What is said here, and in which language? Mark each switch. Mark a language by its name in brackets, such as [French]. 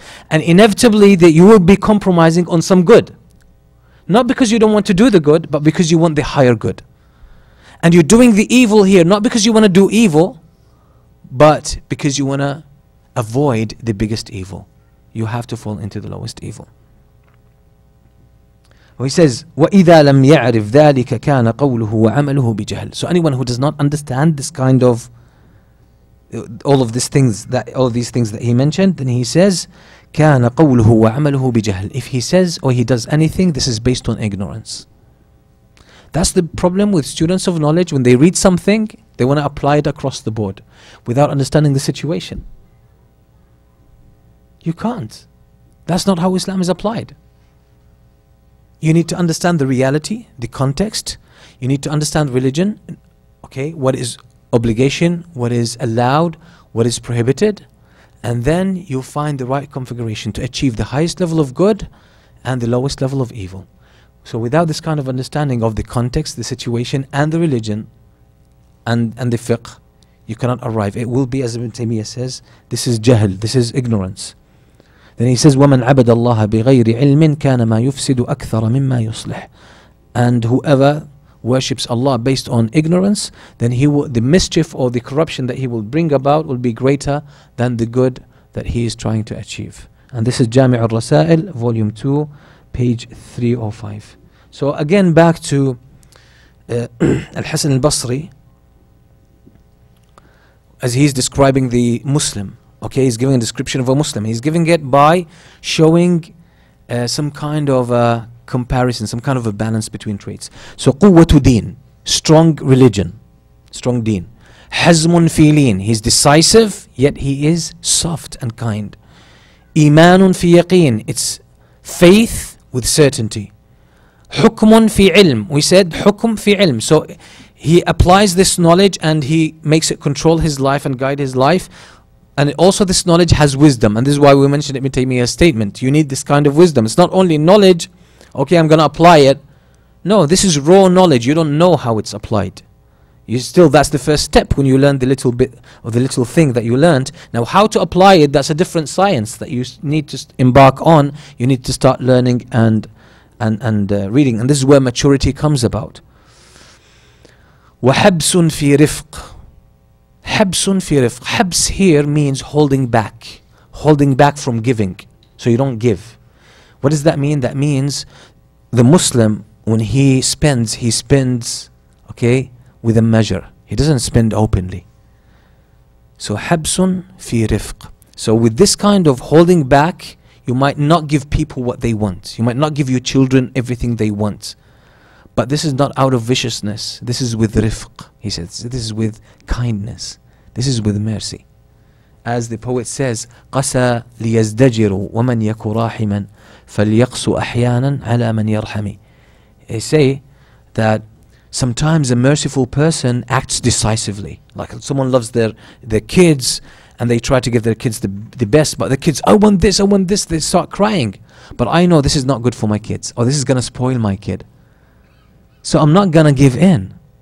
[English] And inevitably that you will be compromising on some good. Not because you don't want to do the good, but because you want the higher good. And you're doing the evil here, not because you want to do evil, but because you want to avoid the biggest evil. You have to fall into the lowest evil. He says, [Arabic] وَإِذَا لَمْ يَعْرِفْ ذَٰلِكَ كَانَ قَوْلُهُ وَعَمَلُهُ بِجَهْلٍ. [English] So anyone who does not understand this kind of all of these things that all of these things that he mentioned, then he says, [Arabic] كَانَ قَوْلُهُ وَعَمَلُهُ بِجَهْلٍ. [English] If he says or he does anything, this is based on ignorance. That's the problem with students of knowledge. When they read something, they want to apply it across the board without understanding the situation. You can't. That's not how Islam is applied. You need to understand the reality, the context. You need to understand religion. Okay, what is obligation? What is allowed? What is prohibited? And then you'll find the right configuration to achieve the highest level of good and the lowest level of evil. So without this kind of understanding of the context, the situation, and the religion, and the fiqh, you cannot arrive. It will be, as Ibn Taymiyyah says, this is jahl, this is ignorance. Then he says, [Arabic] وَمَنْ عَبَدَ اللَّهَ بِغَيْرِ عِلْمٍ كَانَ مَا يُفْسِدُ أَكْثَرَ مِمَّا يُصْلِحُ. [English] And whoever worships Allah based on ignorance, then the mischief or the corruption that he will bring about will be greater than the good that he is trying to achieve. And this is Jami' al-Rasail, volume 2, page 305. So again, back to Al-Hassan al-Basri, as he's describing the Muslim, okay, he's giving a description of a Muslim. He's giving it by showing some kind of a comparison, some kind of a balance between traits. So [Arabic] قُوَّةُ دِينَ, [English] strong religion, strong deen. [Arabic] حَزْمٌ فِيلِينَ, [English] he's decisive, yet he is soft and kind. [Arabic] إِيمَانٌ فِي يَقِينَ, [English] it's faith with certainty. [Arabic] حُكْمٌ فِي عِلْمٍ, [English] we said [Arabic] حُكْم فِي عِلْمٍ. [English] So he applies this knowledge and he makes it control his life and guide his life. And also this knowledge has wisdom. And this is why we mentioned Ibn Taymiyyah's statement. You need this kind of wisdom. It's not only knowledge, okay, I'm going to apply it. No, this is raw knowledge. You don't know how it's applied. You still, that's the first step when you learn the little bit or the little thing that you learned. Now, how to apply it, that's a different science that you need to embark on. You need to start learning and reading. And this is where maturity comes about. [Arabic] وَحَبْسٌ فِي رِفْقٍ, حَبْسٌ فِي رِفْقٍ. [English] حَبْس here means holding back from giving, so you don't give. What does that mean? That means the Muslim, when he spends, okay, with a measure. He doesn't spend openly. So [Arabic] حَبْسٌ فِي رِفْقٍ. [English] So with this kind of holding back, you might not give people what they want. You might not give your children everything they want. But this is not out of viciousness. This is with rifq, he says. This is with kindness. This is with mercy. As the poet says, [Arabic] قَسَى لِيَزْدَجِرُ وَمَنْ يَكُ رَاحِمًا فَلْيَقْسُ أَحْيَانًا عَلَى مَنْ يَرْحَمِي. [English] They say that sometimes a merciful person acts decisively. Like someone loves their kids, and they try to give their kids the best, but the kids, I want this, I want this. They start crying. But I know this is not good for my kids, or this is going to spoil my kid. So I'm not going to give in.